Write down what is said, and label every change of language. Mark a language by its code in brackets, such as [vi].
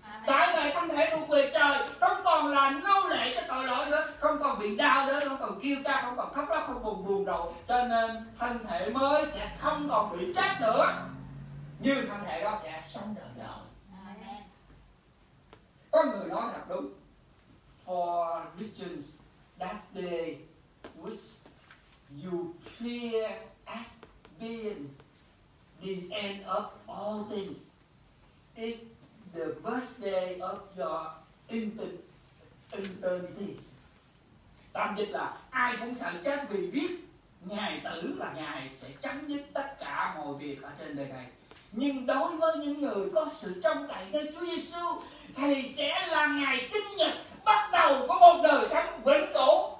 [vi] Trở lại thân thể thuộc về trời, không còn là nô lệ cho tội lỗi nữa, không còn bị đau nữa, không còn kêu ca, không còn khóc lóc, không còn buồn rầu. Cho nên thân thể mới sẽ không còn bị chết nữa, như thân thể đó sẽ sống đời đời. Có người nói thật đúng. [en] For riches that day which you fear as being the end of all things is the best day of your eternity. [vi] Tạm dịch là ai cũng sợ chết vì biết ngài tử là ngài sẽ chấm dứt tất cả mọi việc ở trên đời này. Nhưng đối với những người có sự trông cậy nơi Chúa Giêsu thì sẽ là ngày sinh nhật bắt đầu của một đời sống vĩnh cửu.